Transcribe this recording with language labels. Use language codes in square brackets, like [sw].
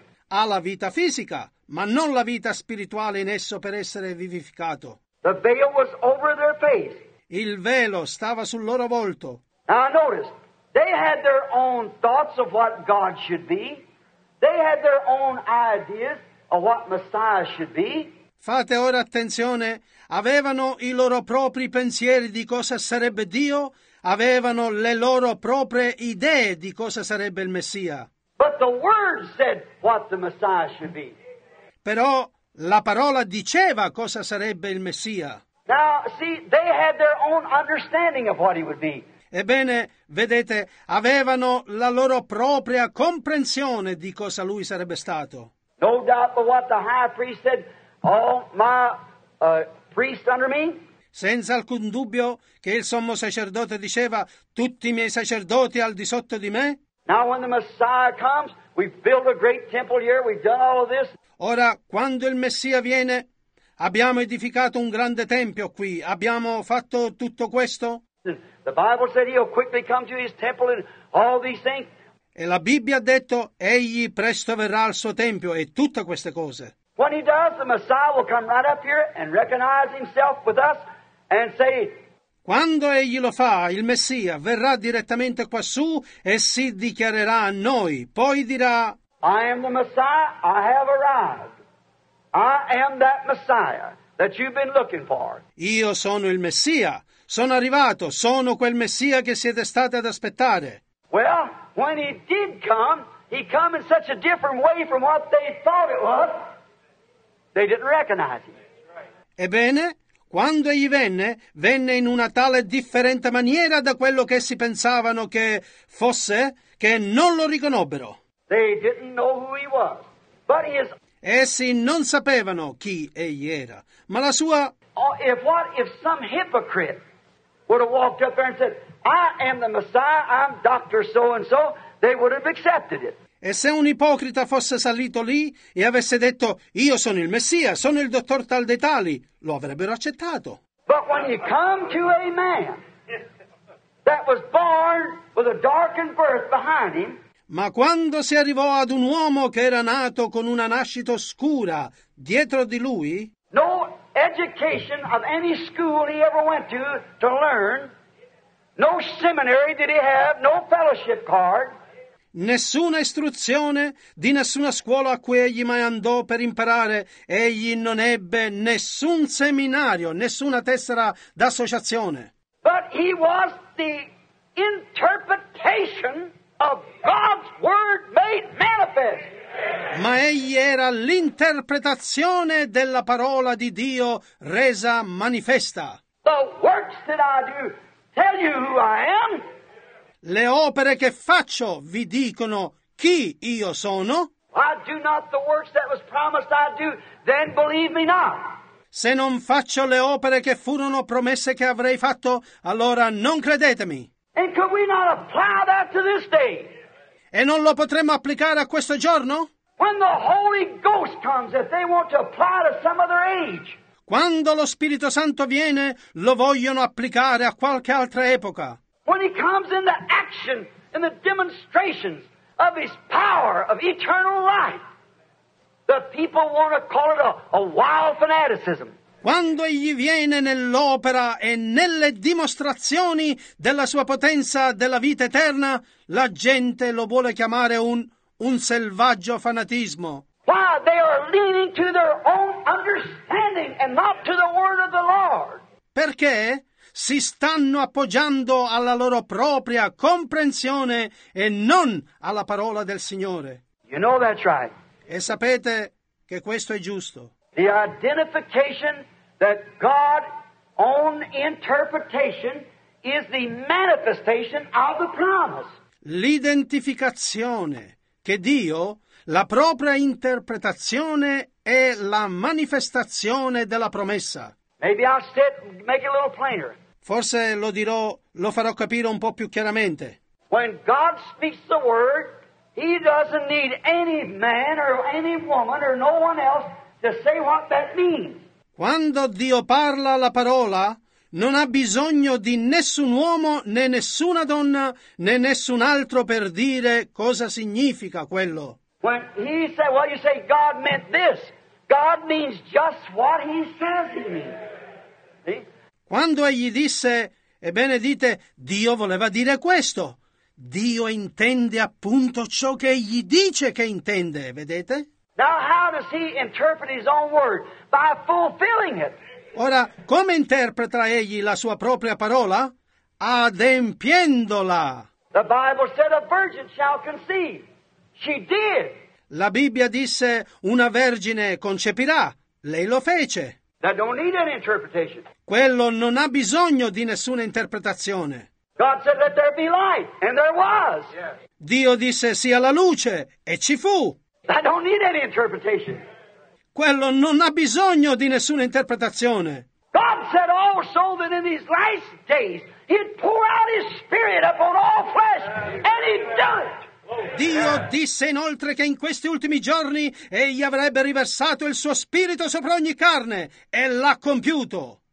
[it] Ha la vita fisica, ma non la vita spirituale in esso per essere vivificato. [en] The veil was over their face. [it] Il velo stava sul loro volto. [en] Now notice, they had their own thoughts of what God should be. They had their own ideas of what Messiah should be. [it] Fate ora attenzione. Avevano i loro propri pensieri di cosa sarebbe Dio. Avevano le loro proprie idee di cosa sarebbe il Messia. [en] But the Word said what the Messiah should be. [it] Però la parola diceva cosa sarebbe il Messia. [en] Now, see, they had their own understanding of what he would be. [it] Ebbene, vedete, avevano la loro propria comprensione di cosa lui sarebbe stato. [en] No doubt but what the high priest said, all my priests under me. [it] Senza alcun dubbio che il sommo sacerdote diceva, tutti i miei sacerdoti al di sotto di me. [en] Now when the Messiah comes, we've built a great temple here, we've done all of this. [it] Ora, quando il Messia viene, abbiamo edificato un grande tempio qui. Abbiamo fatto tutto questo. [en] The Bible said he'll quickly come to his temple and all these things. [it] E la Bibbia ha detto egli presto verrà al suo tempio e tutte queste cose. [en] When he does, the Messiah will come right up here and recognize himself with us and say. [it] Quando egli lo fa, il Messia verrà direttamente quassù e si dichiarerà a noi. Poi dirà. [en] I am the Messiah. I have arrived. I am that Messiah that you've been looking for. [it] Io sono il Messia. Sono arrivato. Sono quel Messia che siete state ad aspettare. [en] Well, when he did come, he came in such a different way from what they thought it was. They didn't recognize him. [it] Ebbene, quando egli venne, venne in una tale differente maniera da quello che essi pensavano che fosse, che non lo riconobbero. [en] They didn't know who he was, but he is. [it] Essi non sapevano chi egli era, ma la sua. [en] If some hypocrite would have walked up there and said, I am the Messiah, I'm Dr. so and so, they would have accepted it. [it] E se un ipocrita fosse salito lì e avesse detto, io sono il Messia, sono il dottor tal dei tali, lo avrebbero accettato. [en] But when you come to a man that was born with a darkened birth behind him. [it] Ma quando si arrivò ad un uomo che era nato con una nascita oscura dietro di lui, [en] no education of any school he ever went to learn, no seminary did he have, no fellowship card. [it] Nessuna istruzione di nessuna scuola a cui egli mai andò per imparare, egli non ebbe nessun seminario, nessuna tessera d'associazione. [en] But he was the interpretation of God's word made manifest. [it] Ma egli era l'interpretazione della parola di Dio resa manifesta. [en] The works that I do tell you who I am. [it] Le opere che faccio vi dicono chi io sono. [en] I do not the works that was promised I do, then believe me not. [it] Se non faccio le opere che furono promesse che avrei fatto, allora non credetemi. [en] And could we not apply that to this day? [it] E non lo potremmo applicare a questo giorno? [en] When the Holy Ghost comes, if they want to apply to some other age. [it] Quando lo Spirito Santo viene, lo vogliono applicare a qualche altra epoca. [en] When he comes in the action, in the demonstrations of his power of eternal life, the people want to call it a wild fanaticism. [it] Quando egli viene nell'opera e nelle dimostrazioni della sua potenza della vita eterna, la gente lo vuole chiamare un selvaggio fanatismo. [en] Why, they are leaning to their own understanding and not to the word of the Lord. [it] Perché si stanno appoggiando alla loro propria comprensione e non alla parola del Signore. [en] You know that's right. [it] E sapete che questo è giusto. [en] The identification that God's own interpretation is the manifestation of the promise. [it] L'identificazione che Dio, la propria interpretazione è la manifestazione della promessa. [en] Maybe I'll sit and make it a little plainer. [it] Forse lo dirò, lo farò capire un po' più chiaramente. [en] When God speaks the word, he doesn't need any man or any woman or no one else to say what that means. [it] Quando Dio parla la parola, non ha bisogno di nessun uomo, né nessuna donna, né nessun altro per dire cosa significa quello. [en] When he said, well, you say God meant this. God means just what he says he means. See? [it] Quando egli disse, ebbene dite, Dio voleva dire questo. Dio intende appunto ciò che egli dice che intende, vedete? [en] Now how does he interpret his own word? By fulfilling it. [it] Ora, come interpreta egli la sua propria parola? Adempiendola. [en] The Bible said a virgin shall conceive. She did. [it] La Bibbia disse, una vergine concepirà. Lei lo fece. [en] That don't need an interpretation. [it] Quello non ha bisogno di nessuna interpretazione. [en] God said that there be light, and there was. Yes. [it] Dio disse, sia la luce, e ci fu. [en] I don't need any interpretation. [it] Quello non ha bisogno di nessuna interpretazione. [en] God said also that in these last days he'd pour out his spirit upon all flesh, and he done it. [it] Dio disse inoltre che in questi ultimi giorni egli avrebbe riversato il suo spirito sopra ogni carne, e l'ha compiuto.